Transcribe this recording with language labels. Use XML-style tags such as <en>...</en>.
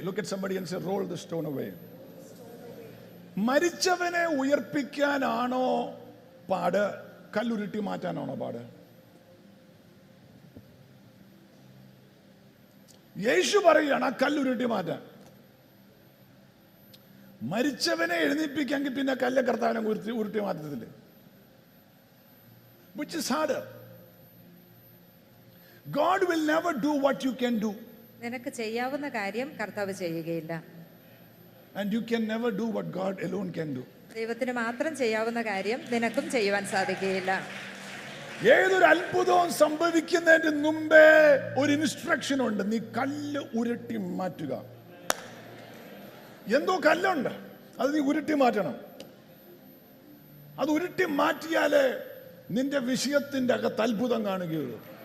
<en>Look at somebody and say roll the stone away.</en> <ml>മരിച്ചവനെ ഉയർപ്പിക്കാനാണോ പാട്, കല്ലുരുട്ടി മാറ്റാനാണോ പാട്? യേശു പറയാണ് ആ കല്ലുരുട്ടി മാറ്റാൻ. മരിച്ചവനെ എഴുന്നേൽപ്പിക്കാമെങ്കിൽ പിന്നെ കല്ല് കർത്താവിനെ ഉരുട്ടി മാറ്റത്തില്ലേ?</ml> <en>Which is harder? God will never do what you can do.</en> <ml>നിനക്ക് ചെയ്യാവുന്ന കാര്യം കർത്താവ് ചെയ്യുകയില്ല.</ml> <en>And you can never do what God alone can do.</en> <ml>ദൈവത്തിന് മാത്രം ചെയ്യാവുന്ന കാര്യം നിനക്കും ചെയ്യുവാൻ സാധിക്കുകയില്ല. ഏതൊരു അത്ഭുതവും സംഭവിക്കുന്നതിന് മുമ്പേ ഒരു ഇൻസ്ട്രക്ഷൻ ഉണ്ട്. നീ കല്ല് ഉരുട്ടി മാറ്റുക. എന്തോ കല്ലുണ്ട്, അത് നീ ഉരുട്ടി മാറ്റണം. അത് ഉരുട്ടി മാറ്റിയാലേ നിന്റെ വിഷയത്തിന്റെ അകത്ത് അത്ഭുതം കാണുകയുള്ളൂ.</ml>